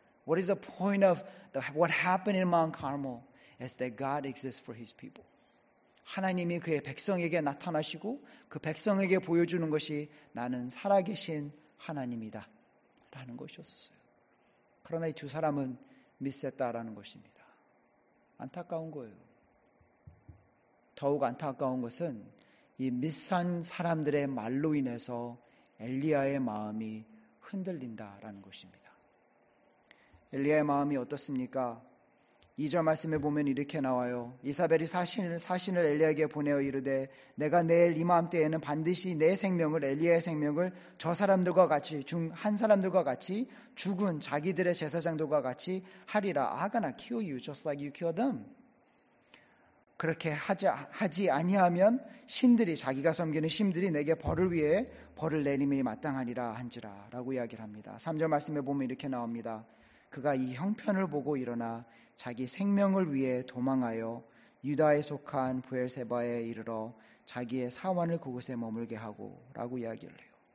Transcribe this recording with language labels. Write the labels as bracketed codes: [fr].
[en] What is the point of what happened in Mount Carmel is that God exists for his people. [ko] 하나님이 그의 백성에게 나타나시고 그 백성에게 보여주는 것이 나는 살아계신 하나님이다 라는 것이었어요. 그러나 이 두 사람은 미스했다라는 것입니다. 안타까운 거예요. 더욱 안타까운 것은 이 미스한 사람들의 말로 인해서 엘리야의 마음이 흔들린다라는 것입니다. 엘리야의 마음이 어떻습니까? 2절 말씀에 보면 이렇게 나와요. 이사벨이 사신을 엘리야에게 보내어 이르되 내가 내일 이맘때에는 반드시 내 생명을 엘리야의 생명을 저 사람들과 같이 중 한 사람들과 같이 죽은 자기들의 제사장들과 같이 하리라. [en] I'm gonna kill you just like you killed them. [ko] 그렇게 하지 아니하면 신들이 자기가 섬기는 신들이 내게 벌을 위해 벌을 내림이 마땅하니라 한지라 라고 이야기를 합니다. 3절 말씀에 보면 이렇게 나옵니다. 그가 이 형편을 보고 일어나 자기 생명을 위해 도망하여 유다에 속한 부엘세바에 이르러 자기의 사원을 그곳에 머물게 하고 라고 이야기를 해요.